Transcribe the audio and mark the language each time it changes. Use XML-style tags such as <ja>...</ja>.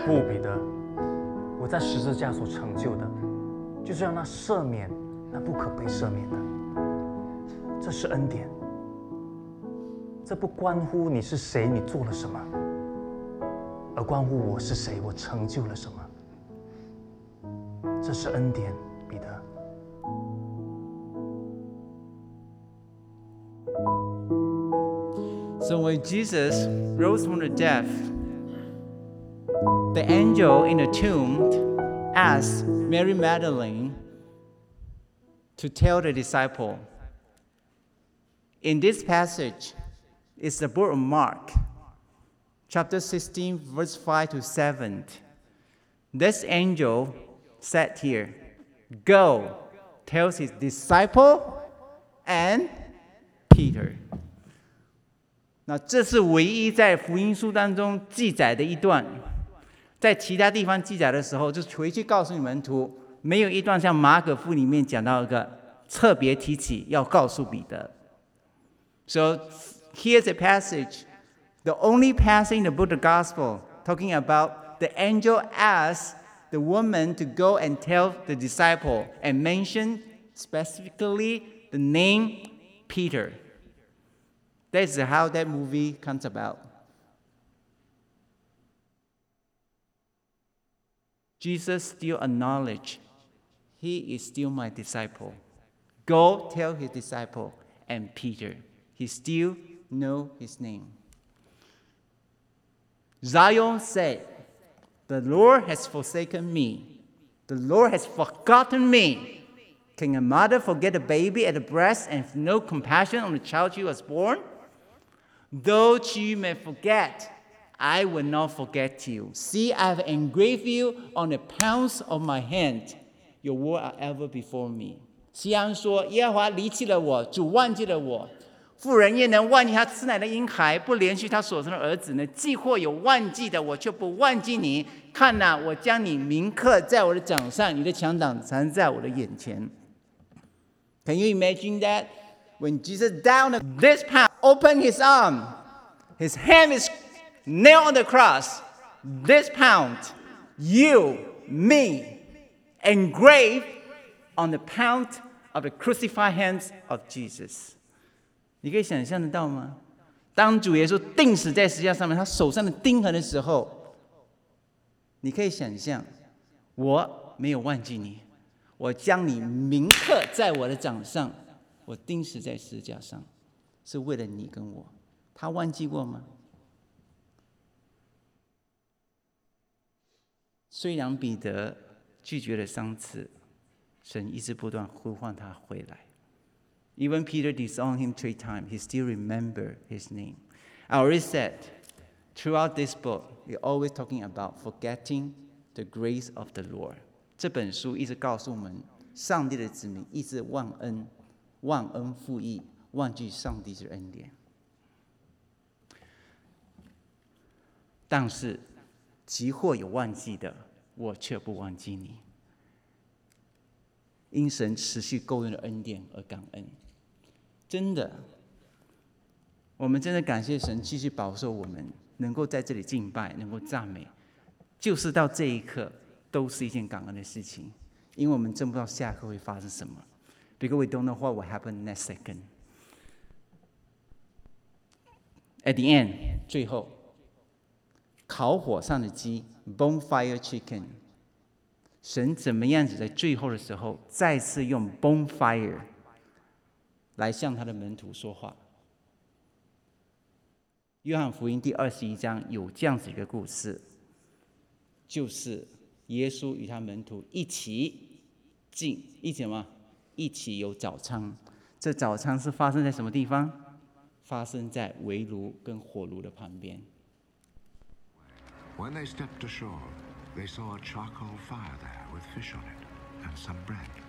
<zh>不，彼得，我在十字架所成就的就是要那赦免，那不可被赦免的，这是恩典，这不关乎你是谁，你做了什么，而关乎我是谁，我成就了什么，这是恩典。</zh> <en>So when Jesus rose from the dead, the angel in the tomb asked Mary Magdalene to tell the disciple. In this passage, it's the book of Mark, chapter 16, verse 5 to 7. This angel said here, go, tells his disciple and Peter.</en> <zh>那这是唯一在福音书当中记载的一段，在其他地方记载的时候就回去告诉你们徒，没有一段像马可福里面讲到一个特别提起要告诉彼得。</zh> <en>So here's a passage, the only passage in the book of the gospel talking about the angel asked the woman to go and tell the disciple and mention specifically the name Peter. That's how that movie comes about. Jesus still acknowledged, he is still my disciple. Go tell his disciple and Peter. He still knows his name. Zion said, the Lord has forsaken me. The Lord has forgotten me. Can a mother forget a baby at the breast and have no compassion on the child she was born? Though you may forget, I will not forget you. See, I have engraved you on the palms of my hand. Your words are ever before me.</en> <zh>西安说，耶和华离弃了我，主忘记了我。妇人焉能忘记她吃奶的婴孩，不怜恤她所生的儿子呢？既或有忘记的，我却不忘记你。看哪，我将你铭刻在我的掌上，你的强掌藏在我的眼前。</zh> <en>Can you imagine that? When Jesus down this palm,Open his arm. His hand is nailed on the cross. This pound, you, me, engraved on the pound of the crucified hands of Jesus.</en> <zh>你可以想象得到吗？当主耶稣钉死在十字架上面，他手上的钉痕的时候，你可以想象，我没有忘记你，我将你铭刻在我的掌上，我钉死在十字架上。是为了你跟我，他忘记过吗？虽然彼得拒绝了三次，神一直不断呼唤他回来。</zh> <en>Even Peter disowned him three times, he still remembered his name. I already said, throughout this book, we're always talking about forgetting the grace of the Lord.</en> <zh>这本书一直告诉我们，上帝的子民一直忘恩，忘恩负义，忘记上帝的恩典。但是，即或有忘记的，我却不忘记你。因神持续够用的恩典而感恩，真的，我们真的感谢神继续保守我们，能够在这里敬拜，能够赞美，就是到这一刻都是一件感恩的事情，因为我们真不知道下一刻会发生什么。</zh> <en>Because we don't know what will happen next second. At the end,</en> <zh>最后，烤火上的鸡</zh> <en>Bonfire chicken，</en> <zh>神怎么样子在最后的时候再次用 bonfire 来向他的门徒说话。约翰福音第21章有这样子一个故事，就是耶稣与他门徒一起进一起什么一起有早餐。这早餐是发生在什么地方？发生在围炉跟火炉的旁边。</zh> <en>When they stepped ashoreThey saw a charcoal fire there with fish on it and some bread.</en>